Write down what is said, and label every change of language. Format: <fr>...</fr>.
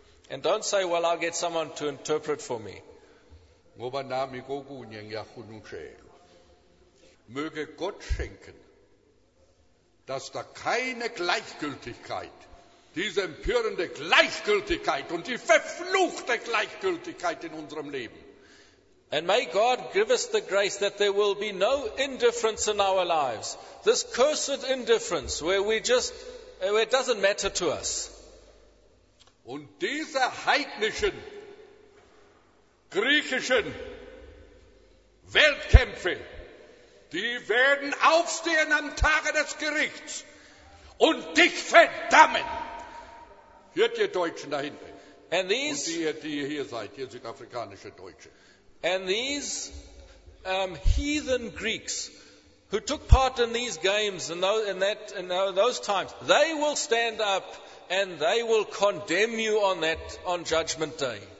<en>And don't say, well, I'll get someone to interpret for me.</en> <zu>Ngoba nami kokunye ngiyahunutshelwa.</zu> <de>Möge Gott schenken, dass da keine Gleichgültigkeit, diese empörende Gleichgültigkeit und die verfluchte Gleichgültigkeit in unserem Leben.</de> <en>And may God give us the grace that there will be no indifference in our lives. This cursed indifference where it doesn't matter to us.</en> <de>Und diese heidnischen griechischen Weltkämpfe, die werden aufstehen am Tage des Gerichts und dich verdammen. Hört ihr Deutschen da hinten?</de> <en>And these,</en> <de>und die ihr hier seid, ihr südafrikanische Deutsche.</de> <en>And these heathen Greeks who took part in these games in those times, they will stand up and they will condemn you on Judgment Day.</en>